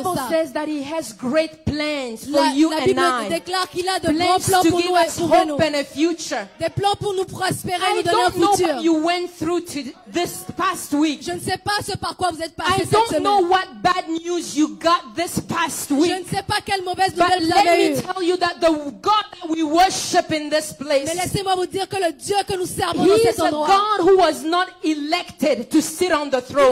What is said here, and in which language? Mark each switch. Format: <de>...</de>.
<en>The Bible says that he has great plans for you and I.</en> <fr>La Bible déclare qu'il a de grands plans pour nous et pour nous.</fr> <en>Plans to give us hope and a future.</en> <fr>Des plans pour nous prospérer et nous donner un futur.</fr> <en>I don't know what you went through to this past week.</en> <fr>Je ne sais pas ce par quoi vous êtes passé cette semaine.</fr> <en>I don't know what bad news you got this past week.</en> <fr>Je ne sais pas quelle mauvaise nouvelle vous avez eue.</fr> <en>But let me tell you that the God that we worship in this place.</en> <fr>Mais laissez-moi vous dire que le Dieu que nous servons dans cet endroit.</fr> <en>He's a God who was not elected to sit on the throne.</en>